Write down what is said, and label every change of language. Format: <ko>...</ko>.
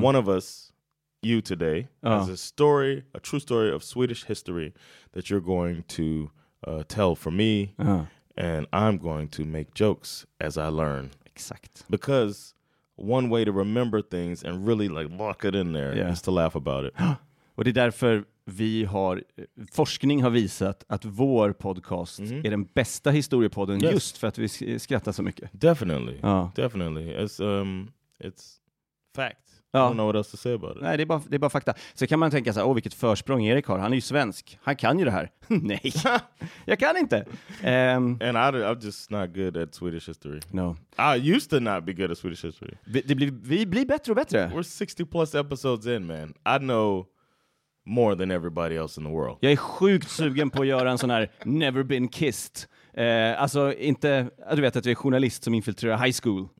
<en>One of us, you today, has a true story of Swedish history that you're going to tell for me, and I'm going to make jokes as I learn. Exact. Because one way to remember things and really like lock it in there is to laugh about it.</en> <sv>Och det är därför forskning har visat att vår podcast är den bästa historiepodden, just för att vi skrattar så mycket.</sv> <en>Definitely. Definitely. It's fact. Ja. I don't know what else to say about it.</en> <sv>Nej, det är bara fakta. Så kan man tänka så här, vilket försprång Erik har. Han är ju svensk. Han kan ju det här. Nej, jag kan inte.</sv> <en>And I'm just not good at Swedish history. No. I used to not be good at Swedish history.</en> <sv>Vi blir bättre och bättre.</sv> <en>We're 60 plus episodes in, man. I know more than everybody else in the world.</en> <sv>Jag är sjukt sugen på att göra en sån här never been kissed. Du vet att jag är journalist som infiltrerar high school.</sv>